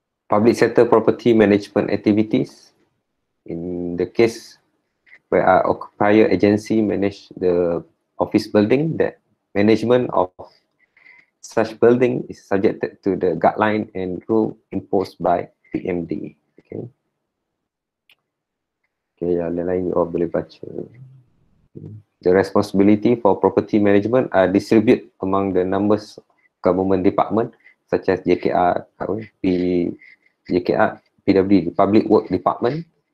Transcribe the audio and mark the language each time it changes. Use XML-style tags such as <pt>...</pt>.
<en>Public sector property management activities. In the case where our occupier agency manage the office building, that management of such building is subjected to the guideline and rule imposed by PMD. Okay.</en> <ms>Okay, yang lain-lain</ms> <en>you all</en> <ms>boleh baca.</ms> <en>The responsibility for property management are distributed among the numbers government department such as JKR, PWD, Public Work Department.</en>